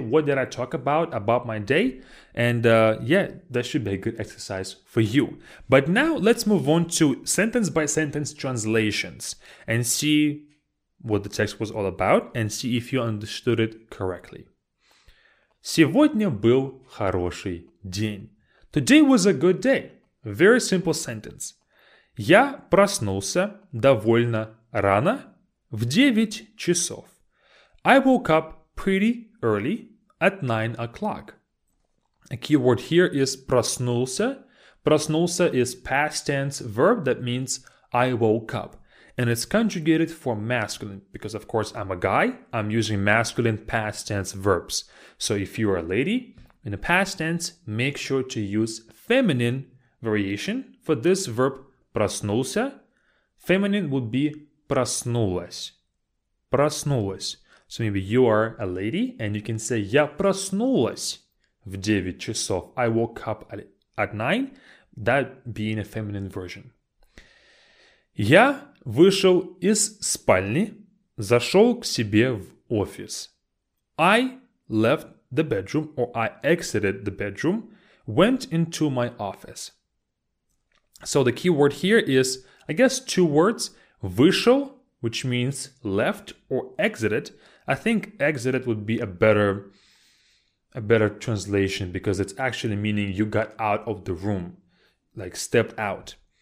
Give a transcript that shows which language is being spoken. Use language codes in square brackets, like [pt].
[en] What did I talk about my day? And yeah, that should be a good exercise for you. But now let's move on to sentence by sentence translations and see what the text was all about and see if you understood it correctly. [ru] Сегодня был хороший день. [en] Today was a good day. Very simple sentence. [ru] Я проснулся довольно рано в 9 часов. [en] I woke up pretty early at 9 o'clock. A key word here is проснулся. Проснулся is past tense verb that means I woke up. And it's conjugated for masculine because, of course, I'm a guy. I'm using masculine past tense verbs. So if you are a lady in the past tense, make sure to use feminine variation for this verb проснулся. Feminine would be проснулась. Проснулась. So maybe you are a lady and you can say [ru] я проснулась в 9 часов. [en] I woke up at 9. That being a feminine version. [ru] Я вышел из спальни, зашел к себе в офис. [en] I left the bedroom or I exited the bedroom, went into my office. So the key word here is, I guess, two words. Вышел, which means left or exited. I think exited would be a better translation because it's actually meaning you got out of the room, like stepped out.